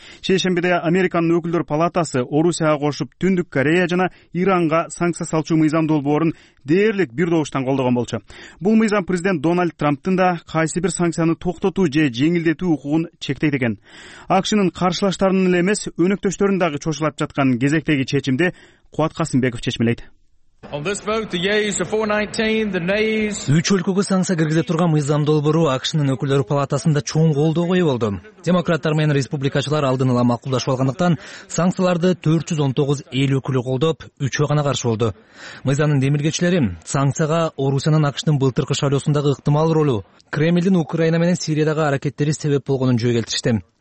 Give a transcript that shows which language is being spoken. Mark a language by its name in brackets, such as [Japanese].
[Kyrgyz] Шейшембиде Американын өкүлдөр палатасы Орусияга кошуп Түндүк Корея жана Иранга санкция салчу мыйзам долбоорун дээрлик бир добуштан колдогон болчу. Бул мыйзам президент Дональд Трамптын да кайсы бир санкцияны токтотуу же жеңилдетүү укугун чектейт экен. АКШнын каршылаштарынын эле эмес өнөктөштөрүн дагы чочулатып жаткан кезектеги чечимди Кубат Касымбеков чечмелейт. [English] On this vote, the yeas are 419, the nays... [Kyrgyz] Үч өлкөгө санкция киргизе турган мыйзам долбоору АКШнын өкүлдөр палатасында чоң колдоого ээ болду. Демократтар менен республикачылар алдын ала макулдашып алгандыктан санкцияларды 419 эл өкүлү колдоп, үчөө гана каршы болду. Мыйзамдын демилгечилери санкцияга Орусиянын АКШнын былтыркы шайлоосундагы ыктымал ролу, Кремлдин Украина менен Сириядагы аракеттери себеп болгонун жөө келтиришти.